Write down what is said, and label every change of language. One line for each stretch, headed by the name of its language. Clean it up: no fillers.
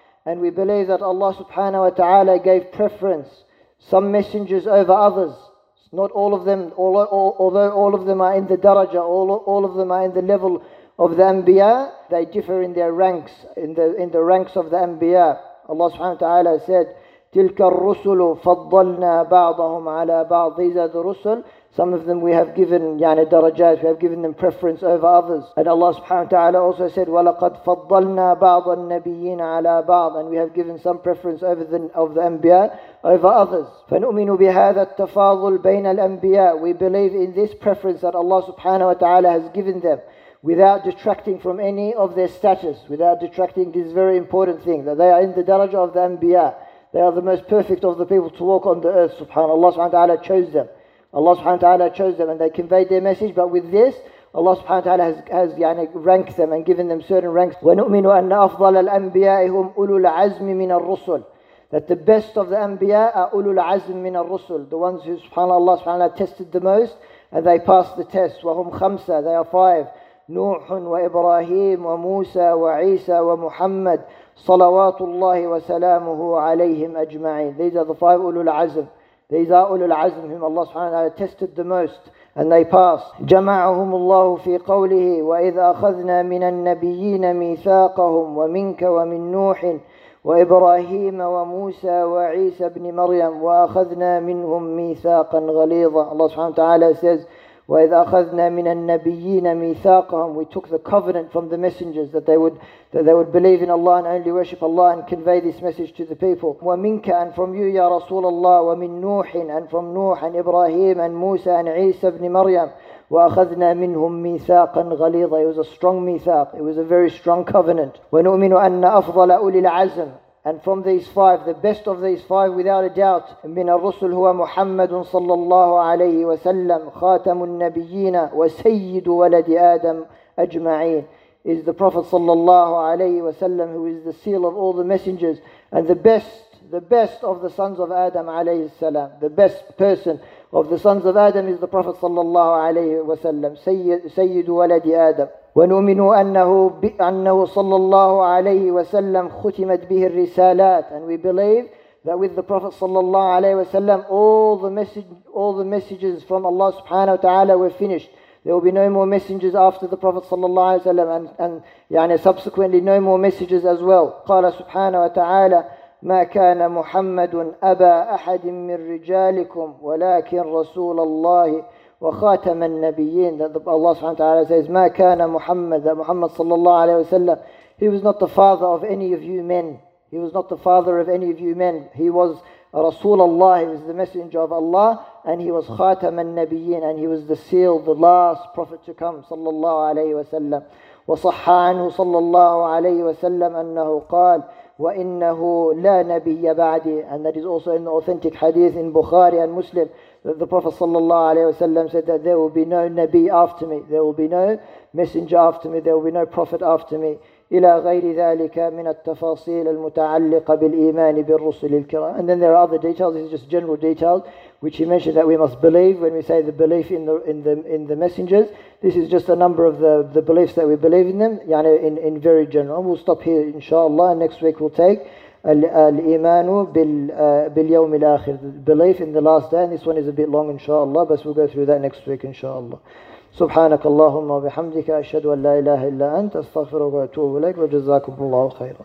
English: And we believe that Allah subhanahu wa ta'ala gave preference some messengers over others. It's not all of them, although all of them are in the daraja, all of them are in the level of the anbiya, they differ in their ranks, in the ranks of the anbiya. Allah subhanahu wa ta'ala said,
Arabic: تِلْكَ الرُّسُلُ فَضَّلْنَا بَعْضَهُمْ عَلَى بَعْضٍ.
English: These are the rusul. Some of them we have given,
Arabic: يعني درجات,
English: we have given them preference over others. And Allah subhanahu wa ta'ala also said,
Arabic: وَلَقَدْ فَضَّلْنَا بَعْضَ النَّبِيِّينَ عَلَى بَعْضٍ.
English: And we have given some preference of the anbiya over others.
Arabic: فَنُؤْمِنُ بِهَذَا التَّفَاضُلْ بَيْنَ الْأَنْبِيَاء.
English: We believe in this preference that Allah subhanahu wa ta'ala has given them, without detracting from any of their status, without detracting this very important thing, that they are in the daraja of the anbiya. They are the most perfect of the people to walk on the earth, subhanAllah subhanahu wa ta'ala chose them. Allah subhanahu wa ta'ala chose them and they conveyed their message, but with this, Allah subhanahu wa ta'ala has yani ranked them and given them certain ranks.
Arabic: وَنُؤْمِنُ أَنَّ أَفْضَلَ الْأَنْبِيَاءِ هُمْ أُولُو الْعَزْمِ مِنَ الرُّسُلِ.
English: That the best of the anbiya are
Arabic: أُولُو الْعَزْمِ مِنَ الرُّسُلِ.
English: The ones who subhanAllah subhanahu wa ta'ala tested the most and they passed the test.
Arabic: وَهُمْ خَمْسَة.
English: They are five.
Arabic: نوح وإبراهيم وموسى وعيسى ومحمد صلوات الله وسلامه عليهم أجمعين.
English: These are the five أولو العزم. These are أولو العزم whom Allah subhanahu wa ta'ala tested the most and they passed.
Arabic: جمعهم الله في قوله وإذا أخذنا من النبيين ميثاقهم ومنك ومن نوح وإبراهيم وموسى وعيسى بن مريم وأخذنا منهم ميثاقا غليظا.
English: Allah subhanahu wa ta'ala says,
Arabic: وَإِذْ أَخَذْنَا مِنَ النَّبِيِّينَ مِيثَاقَهُمْ.
English: We took the covenant from the messengers that they would believe in Allah and only worship Allah and convey this message to the people. وَمِنْكَ. And from you, Ya Rasulullah.
Arabic: وَمِنْ نُوحٍ.
English: And from Nuh and Ibrahim and Musa and Isa ibn Maryam.
Arabic: وَأَخَذْنَا مِنْهُمْ مِيثَاقًا غَلِيظًا.
English: It was a strong mithaq. It was a very strong covenant.
Arabic: وَنُؤْمِنُ أَنَّ أَفْضَلَ أُولِي الْعَزْمِ.
English: And from these five, the best of these five, without a doubt,
Arabic: من الرسل هو محمد صلى الله عليه وسلم خاتم النبيين وسيد ولد آدم أجمعين.
English: Is the Prophet صلى الله عليه وسلم, who is the seal of all the messengers, and the best of the sons of Adam عليه السلام. The best person of the sons of Adam is the Prophet صلى الله عليه وسلم,
Arabic: سيد ولد آدم. ونؤمن أنه أنه صلى الله عليه وسلم ختمت به الرسالات.
English: And we believe that with the Prophet صلى الله عليه وسلم all the messages from Allah سبحانه وتعالى were finished. There will be no more messengers after the Prophet صلى الله عليه وسلم, and يعني subsequently no more messages as well.
Arabic: قال سبحانه وتعالى ما كان محمد أبا أحد من رجالكم ولكن رسول الله وخاتم النبيين.
English: That Allah سبحانه وتعالى says
Arabic: ما كان محمد,
English: that Muhammad صلى الله عليه وسلم, he was not the father of any of you men. He was not the father of any of you men. He was رسول الله, he was the messenger of Allah, and he was خاتم النبيين, and he was the seal, the last prophet to come صلى الله عليه وسلم.
Arabic: وصح عنه صلى الله عليه وسلم أنه قال وإنه لا نبي بعدي.
English: And that is also in the authentic hadith in Bukhari and Muslim that the Prophet صلى الله عليه وسلم said that there will be no نبي after me, there will be no messenger after me, there will be no prophet after me.
Arabic: إلى غير ذلك من التفاصيل المتعلقة بالإيمان بالرسل الكرام.
English: And then there are other details. This is just general details which he mentioned that we must believe when we say the belief in the messengers. This is just a number of the beliefs that we believe in them. يعني in very general. We'll stop here, inshallah. And next week we'll take
Arabic: الإيمان باليوم الآخر.
English: Belief in the last day. And this one is a bit long, inshallah. But we'll go through that next week, inshallah.
Arabic: سبحانك اللهم وبحمدك أشهد أن لا إله إلا أنت أستغفرك وأتوب إليك وجزاكم الله خيرا.